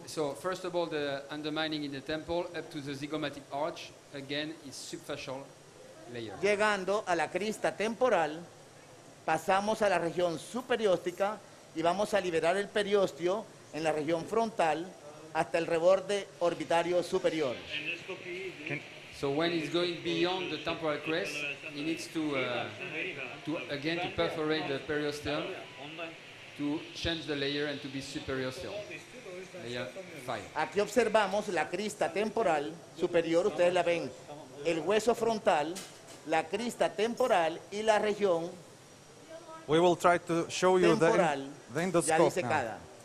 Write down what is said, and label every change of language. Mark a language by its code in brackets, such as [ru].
[en] So, first of all, the undermining in the temple up to the zygomatic arch, again, is subfacial layer. [es] Llegando a la crista temporal, pasamos a la región superióstica y vamos a liberar el periósteo en la región frontal hasta el reborde orbitario superior. [en] So when it's going beyond the temporal crest, it needs to perforate the periosteum to change the layer and to be superiosteal. Layer 5. [es] Aquí observamos la crista temporal superior, ustedes la ven, el hueso frontal, la crista temporal y la región. [en] We will try to show you the endoscope now.